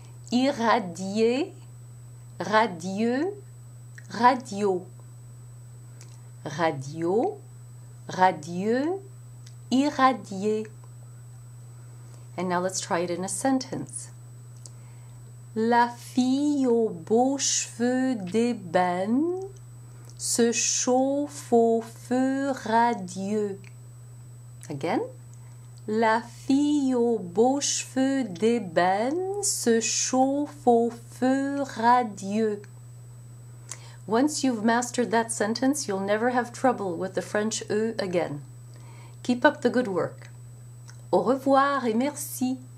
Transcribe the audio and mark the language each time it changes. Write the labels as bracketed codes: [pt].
[fr] Irradié, radieux, radio. Radio, radieux, irradié. [en] And now let's try it in a sentence. [fr] La fille aux beaux cheveux d'ébène se chauffe au feu radieux. [en] Again. [fr] La fille aux beaux cheveux d'ébène se chauffe au feu radieux. [en] Once you've mastered that sentence, you'll never have trouble with the French E again. Keep up the good work. [fr] Au revoir et merci.